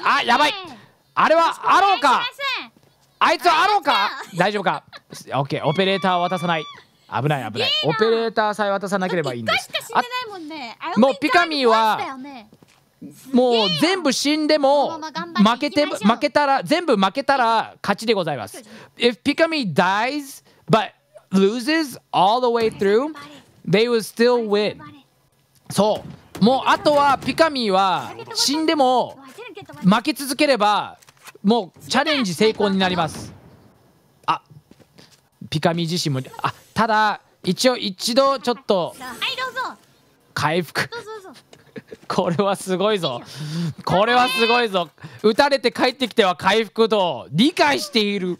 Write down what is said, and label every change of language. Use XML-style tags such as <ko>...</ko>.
<ja>あ、やばい、あれはアローか、あいつはアローか、大丈夫か。 OK、 オペレーターを渡さない、危ない危ない、オペレーターさえ渡さなければいいんです。 1回しか死ねないもんね。もうピカミーはもう全部死んでも負けて、負けたら、全部負けたら勝ちでございます。</ja> <en>If Pikamee dies but loses all the way through they will still win。</en> <ja>そう、もうあとはピカミーは死んでも負け続ければもうチャレンジ成功になります。あ、ピカミー自身も、あ、ただ一応一度ちょっと、はいどうぞ、回復、これはすごいぞ、これはすごいぞ、撃たれて帰ってきては回復と理解している。</ja>